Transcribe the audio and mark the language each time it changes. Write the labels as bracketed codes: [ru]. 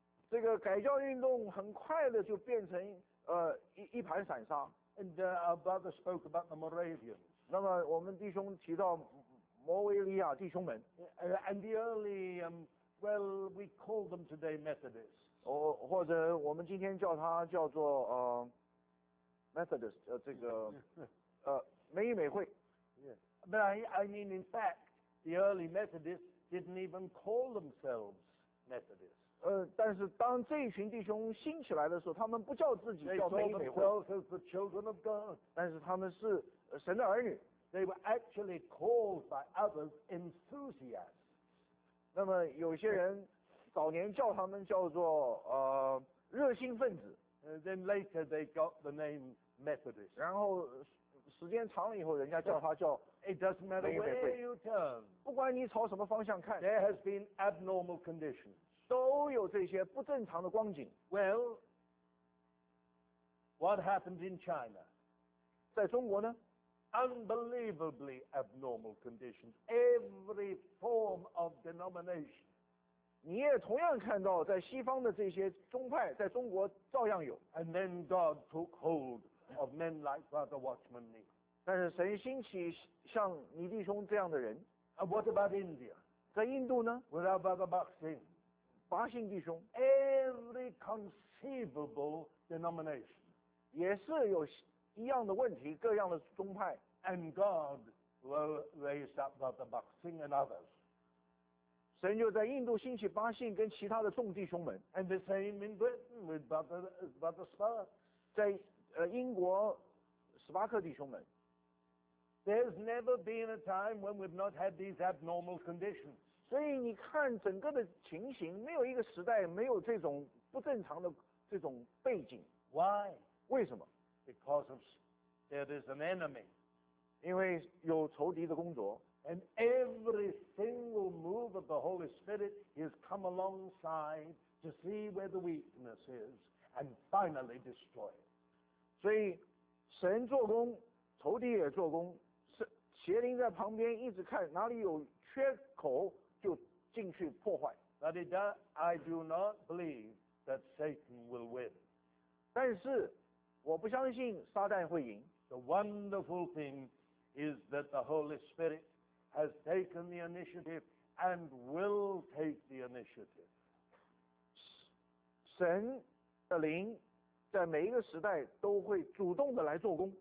[zh] 这个改教运动很快的就变成一盘散沙 [en] and our brother spoke about the Moravians [zh] 那么我们弟兄提到摩维利亚弟兄们 [en] and the early Well, we call them today Methodists. [zh] 或者我们今天叫他叫做Methodist, 这个美裔美会。 [en] Yeah. But I mean, in fact, the early Methodists didn't even call themselves Methodists. [zh] 但是当这一群弟兄兴起来的时候，他们不叫自己叫美裔美会。 [en] They saw themselves as the children of God. [zh] 但是他们是神的儿女。 [en] They were actually called by others enthusiasts. [zh] 那么有些人早年叫他们叫做热心分子。 [en] Then later they got the name Methodist. [zh] 然后时间长了以后，人家叫他叫 [en] It doesn't matter where you turn. [zh] 不管你朝什么方向看 [en] ，There has been abnormal conditions. [zh] 都有这些不正常的光景。 [en] Well, what happened in China? [zh] 在中国呢？ [en] Unbelievably abnormal conditions. Every form of denomination. [zh] 你也同样看到，在西方的这些宗派，在中国照样有。 [en] And then God took hold of men like Brother Watchman Nee. [zh] 但是神兴起像你弟兄这样的人。 [en] And what about India? [zh] 在印度呢 [en] ？With our Brother Bak Singh. [zh] 巴辛弟兄。 [en] Every conceivable denomination. [zh] 也是有。一样的问题，各样的宗派。 [en] And God will raise up Brother Bak Singh and others. [zh] 神就在印度兴起巴信跟其他的众弟兄们。 [en] And the same in Britain with Brother Sparks. [zh] 在英国史巴克弟兄们。 [en] There's never been a time when we've not had these abnormal conditions. [zh] 所以你看整个的情形，没有一个时代没有这种不正常的这种背景。 [en] Why? [zh] 为什么？ [en] Because of there is an enemy. [zh] 因为有仇敌的工作。 [en] And every single move of the Holy Spirit has come alongside to see where the weakness is and finally destroy it. [zh] 所以神做工，仇敌也做工，邪灵在旁边一直看哪里有缺口就进去破坏。 [en] But it does, I do not believe that Satan will win. [zh] 但是我不相信撒旦会赢。 [en] The wonderful thing is that the Holy Spirit has taken the initiative and will take the initiative. [zh] 神的灵在每一个时代都会主动的来做工。